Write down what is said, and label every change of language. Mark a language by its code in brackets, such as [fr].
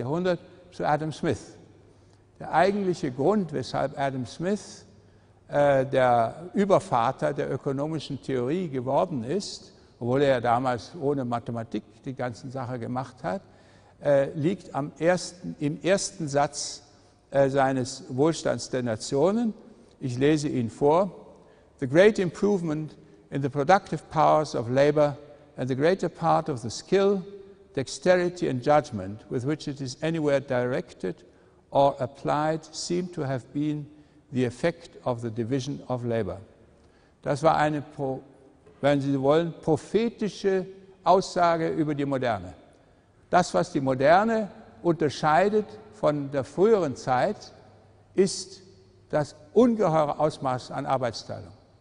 [de] Jahrhundert zu Adam Smith. Der eigentliche Grund, weshalb Adam Smith der Übervater der ökonomischen Theorie geworden ist, obwohl er ja damals ohne Mathematik die ganze Sache gemacht hat, liegt im ersten Satz seines Wohlstands der Nationen. Ich lese ihn vor. [en] The great improvement in the productive powers of labor and the greater part of the skill, dexterity and judgment with which it is anywhere directed or applied seem to have been the effect of the division of labor. [de] Das war eine, wenn Sie wollen, prophetische Aussage über die Moderne. Das, was die Moderne unterscheidet von der früheren Zeit, ist das ungeheure Ausmaß an Arbeitsteilung.